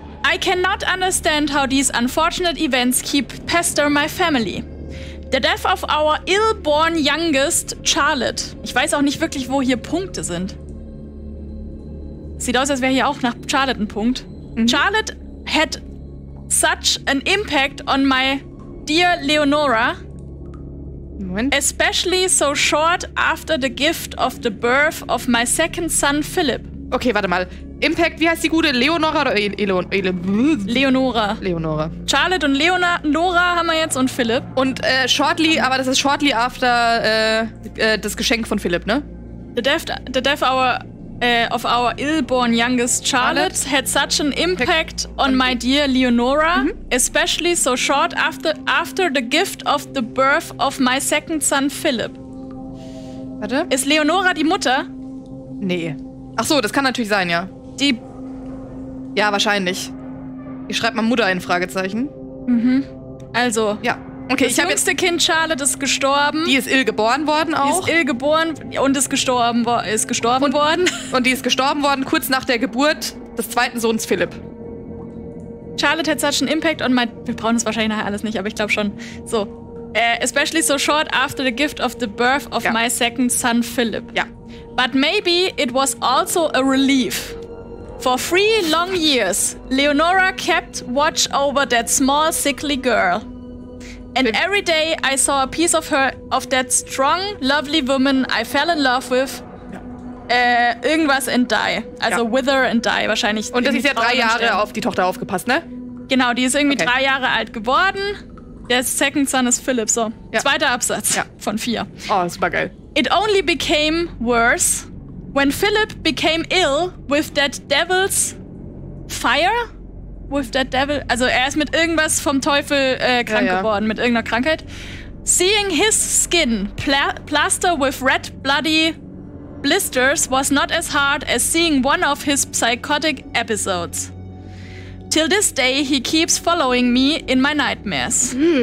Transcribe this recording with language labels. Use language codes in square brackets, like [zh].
[en] I cannot understand how these unfortunate events keep pester my family. The death of our ill-born youngest, Charlotte. [de] Ich weiß auch nicht wirklich, wo hier Punkte sind. Sieht aus, als wäre hier auch nach Charlotte ein Punkt. [en] Mhm. Charlotte had such an impact on my dear Leonora. [de] Moment. [en] Especially so short after the gift of the birth of my second son Philip. [de] Okay, warte mal. Impact, wie heißt die gute? Leonora oder Leonora. Leonora. Charlotte und Leonora haben wir jetzt und Philip. Und shortly, aber das ist [en] shortly after [de] das Geschenk von Philip, ne? [en] The death of our ill-born youngest Charlotte had such an impact on my dear Leonora, especially so short after the gift of the birth of my second son Philip. [de] Warte. Ist Leonora die Mutter? Nee. Ach so, das kann natürlich sein, ja. Die. Ja, wahrscheinlich. Ich schreibe mal Mutter in Fragezeichen. Mhm. Also. Ja. Okay, das jüngste Kind Charlotte ist gestorben. Die ist ill geboren worden auch. Die ist ill geboren und ist gestorben worden. Und die ist gestorben worden kurz nach der Geburt des zweiten Sohns Philipp. Charlotte hat [en] such an impact on my. [de] Wir brauchen das wahrscheinlich nachher alles nicht, aber ich glaube schon. So. [en] Especially so short after the gift of the birth of my second son Philipp. [de] Ja. [en] But maybe it was also a relief. For 3 long years, Leonora kept watch over that small, sickly girl. And every day I saw a piece of her, of that strong, lovely woman I fell in love with. [de] Irgendwas and die. Also ja. [en] Wither and die [de] wahrscheinlich. Und das ist ja 3 Jahre auf die Tochter aufgepasst, ne? Genau, die ist irgendwie 3 Jahre alt geworden. Der [en] second son [de] ist Philip, so. Ja. 2. Absatz von 4. Oh, super geil. [en] It only became worse when Philip became ill with that devil's fire? With that devil? [de] Also er ist mit irgendwas vom Teufel krank geworden, mit irgendeiner Krankheit. [en] Seeing his skin plaster with red bloody blisters was not as hard as seeing one of his psychotic episodes. Till this day he keeps following me in my nightmares.